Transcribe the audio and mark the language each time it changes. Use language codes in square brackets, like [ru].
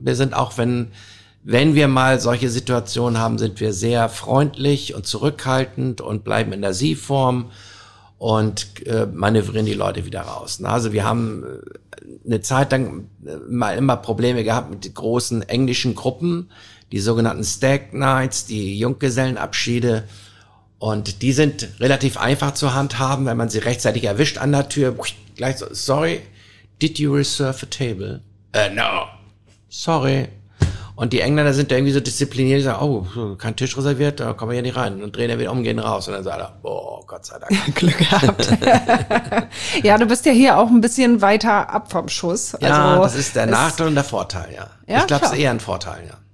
[de] Wir sind auch, wenn wir mal solche Situationen haben, sind wir sehr freundlich und zurückhaltend und bleiben in der Sie-Form und manövrieren die Leute wieder raus. Ne? Also wir haben eine Zeit lang mal immer Probleme gehabt mit großen englischen Gruppen, die sogenannten Stag Nights, die Junggesellenabschiede. Und die sind relativ einfach zu handhaben, wenn man sie rechtzeitig erwischt an der Tür. Gleich so, [en] sorry, did you reserve a table? No. Sorry. [de] Und die Engländer sind da irgendwie so diszipliniert, die sagen, oh, kein Tisch reserviert, da kommen wir ja nicht rein. Und drehen ja wieder um, gehen raus. Und dann sagen alle, oh, Gott sei Dank. Glück gehabt. Ja, du bist ja hier auch ein bisschen weiter ab vom Schuss. Ja, also, das ist der Nachteil und der Vorteil, ja. Ja, ich glaube, es ist eher ein Vorteil, ja.